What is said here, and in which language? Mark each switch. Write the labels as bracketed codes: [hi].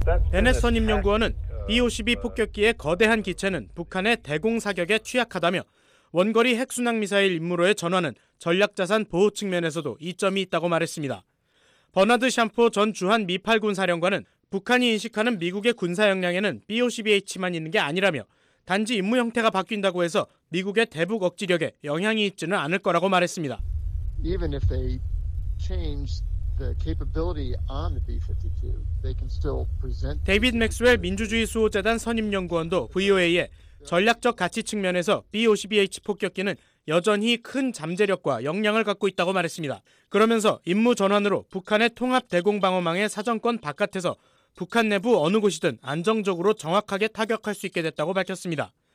[ko] 베넷 선임연구원은 B-52 폭격기의 거대한 기체는 북한의 대공사격에 취약하다며 원거리 핵순항미사일 임무로의 전환은 전략자산 보호 측면에서도 이점이 있다고 말했습니다. 버나드 샴포 전 주한 미8군 사령관은 북한이 인식하는 미국의 군사 역량에는 B-52H만 있는 게 아니라며 단지 임무 형태가 바뀐다고 해서 미국의 대북 억지력에 영향이 있지는 않을 거라고 말했습니다. [en] Even if they change the capability on the B-52, they can still present. [ko] 데이빗 맥스웰 민주주의 수호 재단 선임 연구원도 VOA에 전략적 가치 측면에서 B-52H 폭격기는 여전히 큰 잠재력과 역량을 갖고 있다고 말했습니다. 그러면서 임무 전환으로 북한의 통합 대공 방어망의 사정권 바깥에서 북한 내부 어느 곳이든 안정적으로 정확하게 타격할 수 있게 됐다고 밝혔습니다.